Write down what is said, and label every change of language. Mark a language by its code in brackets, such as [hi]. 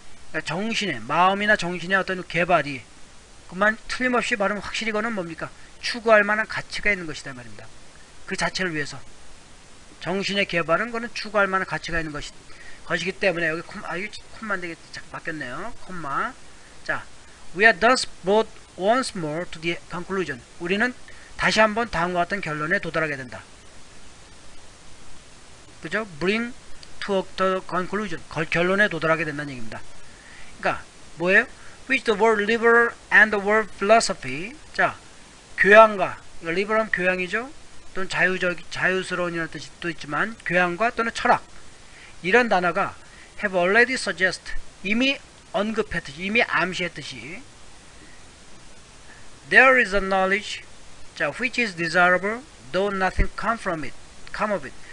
[ko] 그러니까 정신의, 마음이나 정신의 어떤 개발이. 그만 틀림없이 말하면 확실히 이거는 뭡니까? 추구할 만한 가치가 있는 것이다 말입니다. 그 자체를 위해서. 정신의 개발은 거는 추구할 만한 가치가 있는 것이기 때문에 여기 콤마, 아, 이거 콤마인데 이게 바뀌었네요. 콤마. [en] 자, we are thus brought once more to the conclusion. [ko] 우리는 다시 한번 다음과 같은 결론에 도달하게 된다. 그죠? [en] Bring to the conclusion. [ko] 결론에 도달하게 된다는 얘기입니다. 그러니까 뭐예요? [en] Which the word liberal and the word philosophy. [ko] 자, 교양과, liberal은 교양이죠? 또는 자유스러운이라는 뜻도 있지만, 교양과 또는 철학. 이런 단어가 [en] have already suggest, [ko] 이미 언급했듯이, 이미 암시했듯이, [en] there is a knowledge, which is desirable, though nothing come of it.